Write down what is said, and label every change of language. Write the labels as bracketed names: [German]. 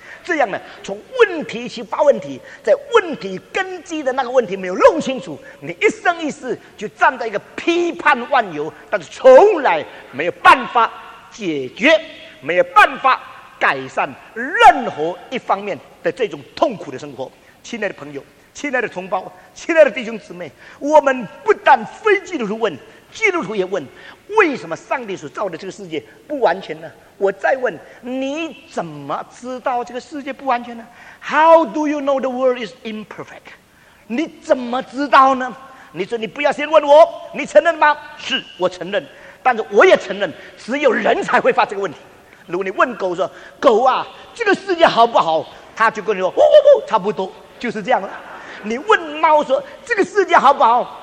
[Chinese] 这样呢，从问题去发问题，在问题根基的那个问题没有弄清楚，你一生一世就站在一个批判万有，但是从来没有办法解决，没有办法改善任何一方面的这种痛苦的生活。亲爱的朋友，亲爱的同胞，亲爱的弟兄姊妹，我们不但非基督徒问，基督徒也问，为什么上帝所造的这个世界不完全呢？我再问，你怎么知道这个世界不完全呢？ [English] How do you know the world is imperfect? [Chinese] 你怎么知道呢？你说你不要先问我，你承认吗？是，我承认，但是我也承认，只有人才会发这个问题。如果你问狗说，狗啊，这个世界好不好？他就跟你说，呼呼呼，差不多，就是这样了。你问猫说，这个世界好不好？